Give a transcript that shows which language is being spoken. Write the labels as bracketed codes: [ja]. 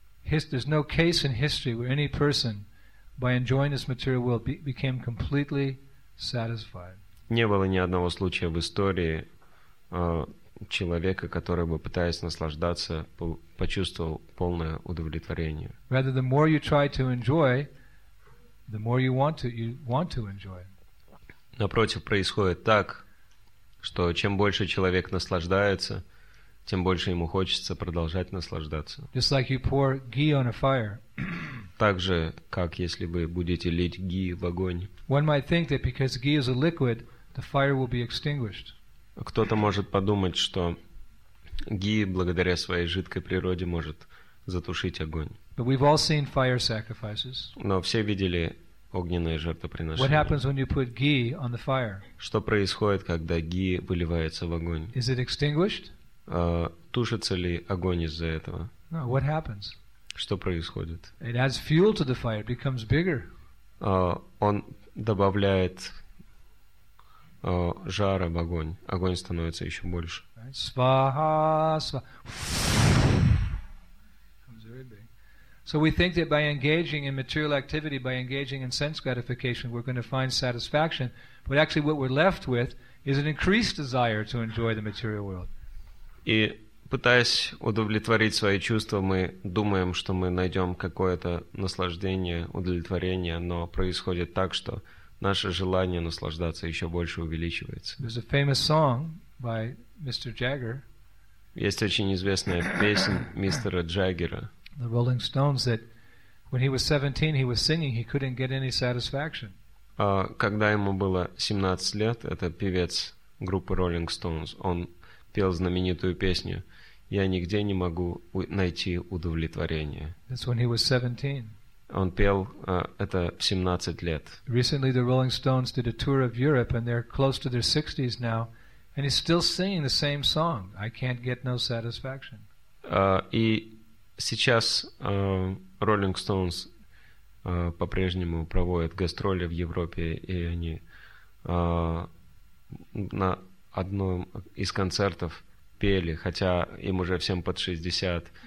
[en] There's no case in history where any person, by enjoying this material world, became completely satisfied. [ru] Не было ни одного случая в истории человека, который бы, пытаясь наслаждаться, почувствовал полное удовлетворение. [en] Rather, the more you try to enjoy, the more you want to enjoy. [ru] Напротив, происходит так, что чем больше человек наслаждается, тем больше ему хочется продолжать наслаждаться. [en] Just like you pour ghee on a fire. [ru] Так же, как если вы будете лить ghee в огонь. [en] One might think that because ghee is a liquid, the fire will be extinguished. [ru] Кто-то может подумать, что ghee, благодаря своей жидкой природе, может затушить огонь. [en] But we've all seen fire sacrifices. [ru] Но все видели огненные жертвоприношения. [en] What happens when you put ghee on the fire? [ru] Что происходит, когда ghee выливается в огонь? [en] Is it extinguished? [ru] Тушится ли огонь из-за этого? [en] No, what happens? [ru] Что происходит? [en] It adds fuel to the fire, it becomes bigger. [ru] Он добавляет жара в огонь. Огонь становится еще больше. [sa] Сваха, сваха. [en] So we think that by engaging in material activity, by engaging in sense gratification, we're going to find satisfaction. But actually what we're left with is an increased desire to enjoy the material world. [ru] И пытаясь удовлетворить свои чувства, мы думаем, что мы найдем какое-то наслаждение, удовлетворение, но происходит так, что наше желание наслаждаться еще больше увеличивается. [en] There's a famous song by Mr. Jagger. [ru] Есть очень известная песня мистера Джаггера. [en] The Rolling Stones, that when he was 17, he was singing, he couldn't get any satisfaction. [ru] Когда ему было 17 лет, это певец группы Rolling Stones, он пел знаменитую песню «Я нигде не могу найти удовлетворение». [en] That's when he was 17. [ru] Он пел это в 17 лет. [en] Recently the Rolling Stones did a tour of Europe and they're close to their 60s now and he's still singing the same song. I can't get no satisfaction. [ru] И сейчас Rolling Stones по-прежнему проводят гастроли в Европе, и они на одном из концертов пели, хотя им уже всем под 60.